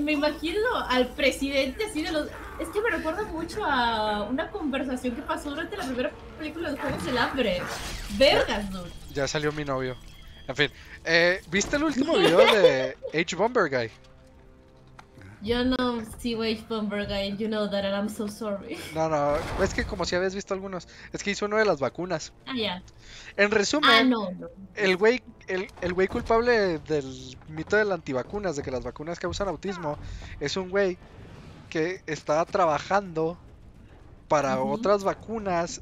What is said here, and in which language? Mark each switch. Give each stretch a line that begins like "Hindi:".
Spanish: me imagino al presidente así de los... Es que me recuerda mucho a una conversación que pasó durante la primera película de Juegos del Hambre. ¡Vergas, dude! Ya salió mi novio. En fin, ¿viste el último video de H-Bomber Guy? Yo no sigo
English: H-Bomber Guy, you know that, and I'm so sorry.
Spanish: No, no, es que como si habías visto algunos. Es que hizo uno de las vacunas. Ah, ya. Yeah. En resumen, el güey culpable del mito de las antivacunas, de que las vacunas causan autismo, es un güey que estaba trabajando para otras vacunas.